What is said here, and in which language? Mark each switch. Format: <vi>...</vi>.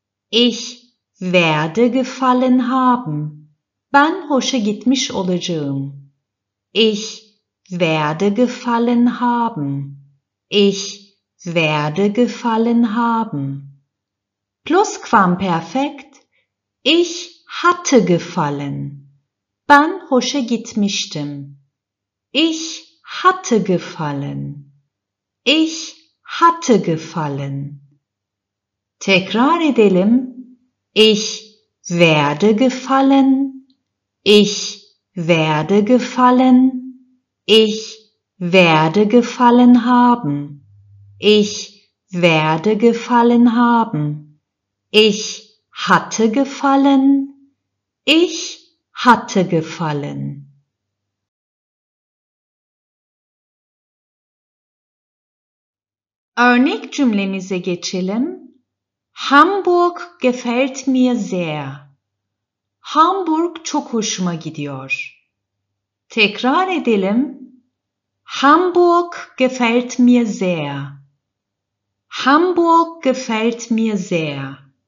<de>Ich werde gefallen haben.</de> <tr>Ben hoşa gitmiş olacağım.</tr> <de>Ich werde gefallen haben. Ich werde gefallen haben. Plusquamperfekt. Ich hatte gefallen.</de> <tr>Ben hoşa gitmiştim.</tr> <de>Ich hatte gefallen. Ich hatte gefallen.</de> <tr>Tekrar edelim.</tr> <de>Ich werde gefallen. Ich werde gefallen. Ich werde gefallen haben. Ich werde gefallen haben. Ich hatte gefallen. Ich hatte gefallen.</de> <tr>Örnek cümlemize geçelim.</tr> <de>Hamburg gefällt mir sehr.</de> <tr>Hamburg çok hoşuma gidiyor. Tekrar edelim.</tr> <de>Hamburg gefällt mir sehr. Hamburg gefällt mir sehr.</de>